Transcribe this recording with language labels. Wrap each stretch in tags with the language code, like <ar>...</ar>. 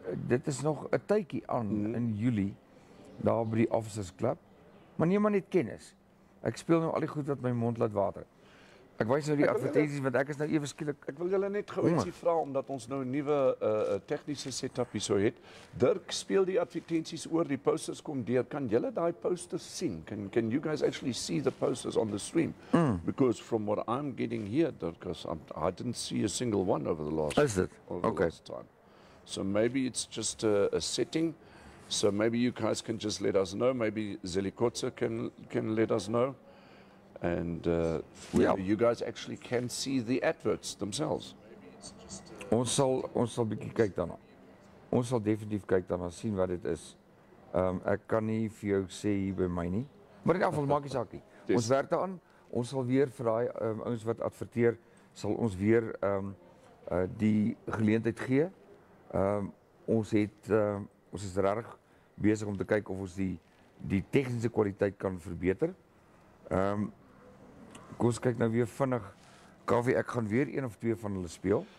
<af>Dit is nog 'n tydjie aan in Julie daar by die Officers Club. Maar nie maar net kennis. Ek speel nou al die goed wat my mond laat water. Ek wys nou die advertensies want ek is nou ewe skielik. Ek wil julle net gou ietsie vra omdat ons nou 'n nuwe tegniese setup hier sou het. Dirk speel die advertensies oor die posters kom deur. Kan julle daai posters sien?</af> <en>Can you guys actually see the posters on the stream? Because from what I'm getting here, Dirkas, I didn't see a single one over the last. Is it? Okay. Time. So maybe it's just a setting. So maybe you guys can just let us know. Maybe Zelikotse can let us know. And you guys actually can see the adverts themselves.</en> <af>Ons sal bietjie kyk daarna. Ons sal definitief kyk daarna sien wat dit is. Ek kan nie vir jou sê hier by my nie. Maar in elk geval maak nie saak nie. Ons werk daaraan. Ons sal weer vir daai ouens wat adverteer, sal ons weer die geleentheid gee. Ons is regtig besig om te kyk of ons die tegniese kwaliteit kan verbeter. Kom ons kyk nou weer vinnig. Kaffie, ek gaan weer een of twee van hulle speel.</af>